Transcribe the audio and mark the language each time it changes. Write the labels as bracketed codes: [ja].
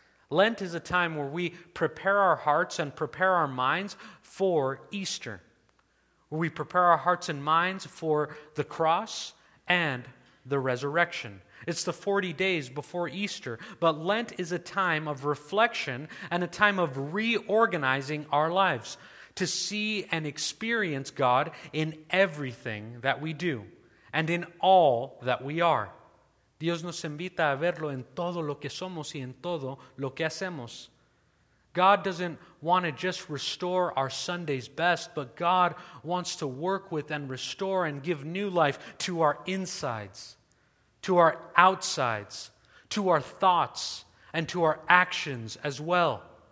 [en] Lent is a time where we prepare our hearts and prepare our minds for Easter, where we prepare our hearts and minds for the cross and the resurrection. It's the 40 days before Easter, but Lent is a time of reflection and a time of reorganizing our lives to see and experience God in everything that we do and in all that we are. [es] Dios nos invita a verlo en todo lo que somos y en todo lo que hacemos. [en] God doesn't want to just restore our Sunday's best, but God wants to work with and restore and give new life to our insides, to our outsides, to our thoughts, and to our actions as well.